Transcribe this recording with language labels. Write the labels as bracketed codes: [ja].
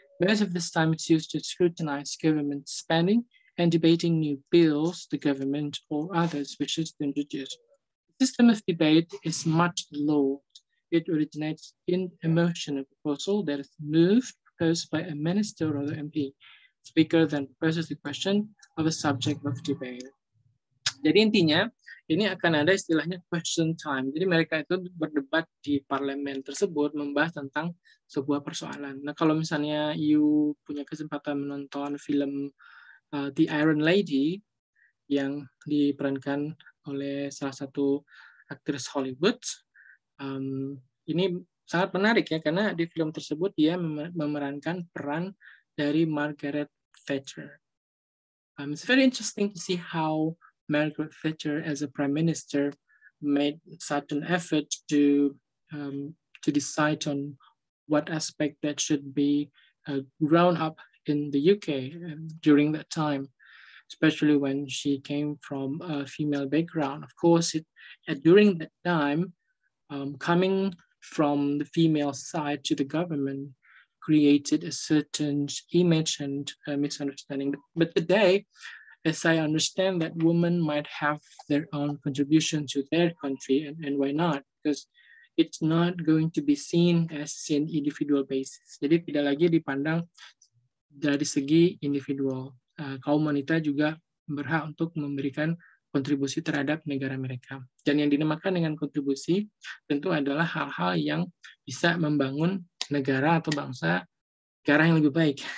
[en] Most of this time is used to scrutinize government spending and debating new bills the government or others wishes to introduce. The system of debate is much loved. It originates in a motion of proposal that is moved, proposed by a minister or other MP. Speaker then proposes the question of a subject of debate. [id] Jadi intinya, ini akan ada istilahnya question time. Jadi mereka itu berdebat di parlemen tersebut, membahas tentang sebuah persoalan. Nah, kalau misalnya you punya kesempatan menonton film The Iron Lady, yang diperankan oleh salah satu aktris Hollywood, ini sangat menarik ya, karena di film tersebut dia memerankan peran dari Margaret Thatcher. [en] It's very interesting to see how Margaret Thatcher as a prime minister made such an effort to decide on what aspect that should be grown up in the UK during that time, especially when she came from a female background. Of course, during that time, coming from the female side to the government created a certain image and a misunderstanding. But today, as I understand that women might have their own contribution to their country, and why not? Because it's not going to be seen as an individual basis. [id] Jadi tidak lagi dipandang dari segi individual. Kaum wanita juga berhak untuk memberikan kontribusi terhadap negara mereka. Dan yang dinamakan dengan kontribusi tentu adalah hal-hal yang bisa membangun negara atau bangsa negara yang lebih baik.